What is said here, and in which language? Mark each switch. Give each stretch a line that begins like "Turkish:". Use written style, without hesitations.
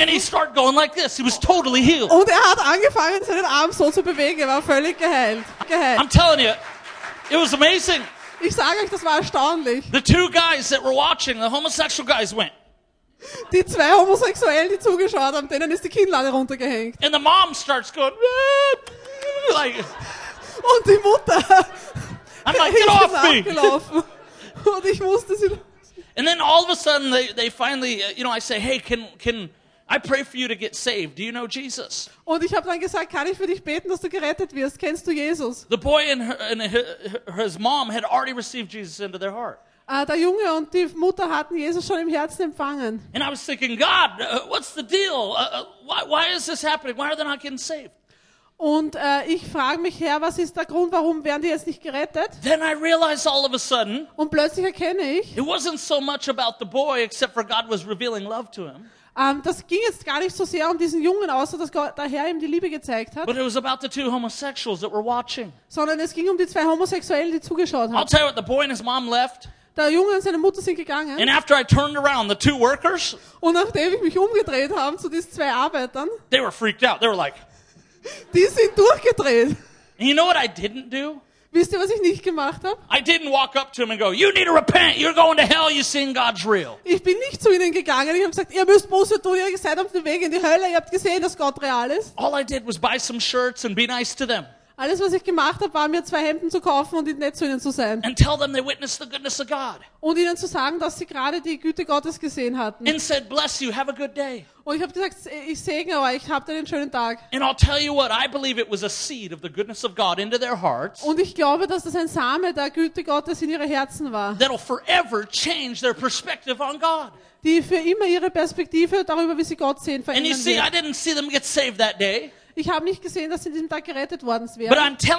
English: And he started going like this. He was totally healed.
German: Und er hat angefangen, seinen Arm so zu bewegen. Er war völlig geheilt.
English: I'm telling you, it was amazing.
German: Ich sage euch, das war erstaunlich.
English: The two guys that were watching, the homosexual guys went.
German: Die zwei Homosexuellen, die zugeschaut haben, denen ist die Kinnlade runtergehängt.
English: And the mom starts going, like.
German: Und die Mutter.
English: I'm like, get off me.
German: Und ich musste sie.
English: And then all of a sudden they finally, you know, I say, hey, can I pray for you to get saved? Do you know Jesus?
German: Und ich habe dann gesagt, kann ich für dich beten, dass du gerettet wirst? Kennst du Jesus?
English: The boy and his mom had already received Jesus into their heart.
German: Der Junge und die Mutter hatten Jesus schon im Herzen empfangen.
English: And I was thinking, God, what's the deal? Why is this happening? Why are they not getting saved?
German: Und ich frage mich, Herr, was ist der Grund, warum werden die jetzt nicht gerettet?
English: Then I realized all of a sudden.
German: Und plötzlich erkenne ich.
English: It wasn't so much about the boy, except for God was revealing love to him.
German: Das ging jetzt gar nicht so sehr um diesen Jungen, außer dass Gott, der Herr ihm die Liebe gezeigt hat.
English: But it was about the two homosexuals that were watching.
German: Sondern es ging um die zwei Homosexuellen, die zugeschaut haben.
English: I'll tell you what, the boy and his mom left.
German: Der Junge und seine Mutter sind gegangen.
English: And after I turned around, the two workers.
German: Und nachdem ich mich umgedreht habe zu diesen zwei Arbeitern.
English: They were freaked out. They were like.
German: Die sind durchgedreht.
English: You know what I didn't do?
German: Wisst ihr, was ich nicht gemacht habe?
English: I didn't walk up to him and go, you need to repent. You're going to hell. You're seeing God's real.
German: Ich bin nicht zu ihnen gegangen. Ich habe gesagt, ihr müsst Buße tun. Ihr seid auf dem Weg in die Hölle. Ihr habt gesehen, dass Gott real ist.
English: All I did was buy some shirts and be nice to them.
German: Alles, was ich gemacht habe, war mir 2 Hemden zu kaufen und nett zu ihnen zu sein.
English: And tell them they witnessed the goodness of God.
German: Und ihnen zu sagen, dass sie gerade die Güte Gottes gesehen hatten.
English: And said, bless you, have a good day.
German: Und ich habe gesagt, ich segne euch, habt einen schönen Tag.
English: And I'll tell you what, I believe it was a seed of the goodness of God into their hearts.
German: Und ich glaube, dass das ein Same der Güte Gottes in ihre Herzen war.
English: That'll forever change their perspective on God.
German: Die für immer ihre Perspektive darüber, wie sie Gott sehen, verändern.
English: And you see, I didn't see them get saved that day.
German: Ich habe nicht gesehen, dass sie diesen Tag gerettet worden wären.